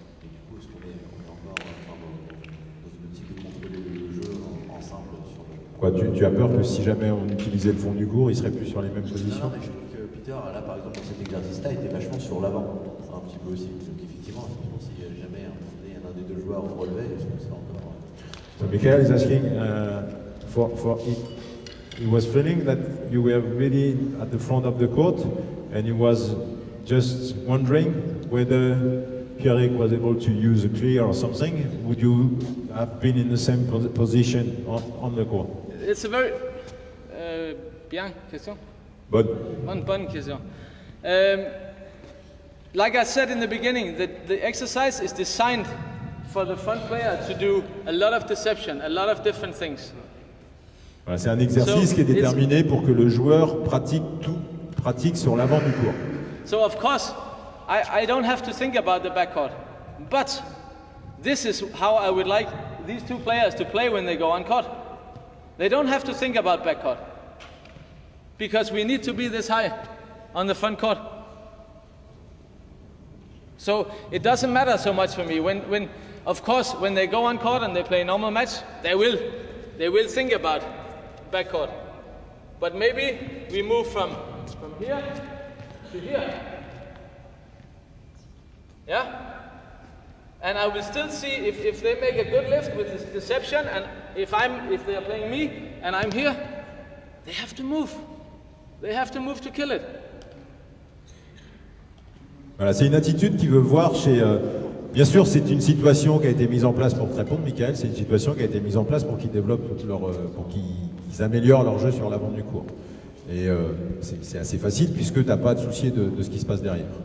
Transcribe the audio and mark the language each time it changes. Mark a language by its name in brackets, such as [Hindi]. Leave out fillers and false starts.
[French] Et du coup, est-ce qu'on est encore dans une optique de contrôler le jeu en simple sur le... Quoi, tu as peur que si jamais on utilisait le fond du cours, il serait plus sur les mêmes positions? Non, mais je trouve que Peter, là, par exemple, dans cet exercice-là, était vachement sur l'avant, un petit peu aussi. Donc, effectivement, si jamais un des deux joueurs vous relevait, est-ce que c'est encore... [English] Michael is asking for it. He was feeling that you were really at the front of the court, and he was just wondering whether Pierrick was able to use a clear or something. Would you have been in the same position on the court? It's a very [French] bien [English] question. [French] Bonne question. [English] Like I said in the beginning, the exercise is designed for the front player to do a lot of deception, a lot of different things. [French] Voilà, c'est un exercice qui est déterminé pour que le joueur pratique sur l'avant du court. [English] So of course, I don't have to think about the backcourt, but this is how I would like these two players to play when they go on court. They don't have to think about backcourt because we need to be this high on the front court. So it doesn't matter so much for me when of course when they go on court and they play a normal match, they will think about it. Backcourt, but maybe we move from here to here, yeah. And I will still see if they make a good lift with this deception, and if they are playing me and I'm here, they have to move. They have to move to kill it. [French] Voilà, c'est une attitude qu'il veut voir chez. Bien sûr, c'est une situation qui a été mise en place pour te répondre, Michael. C'est une situation qui a été mise en place pour qu'ils développent toute leur, pour qu'ils améliorent leur jeu sur l'avant du court. Et c'est assez facile puisque tu n'as pas à te soucier de ce qui se passe derrière.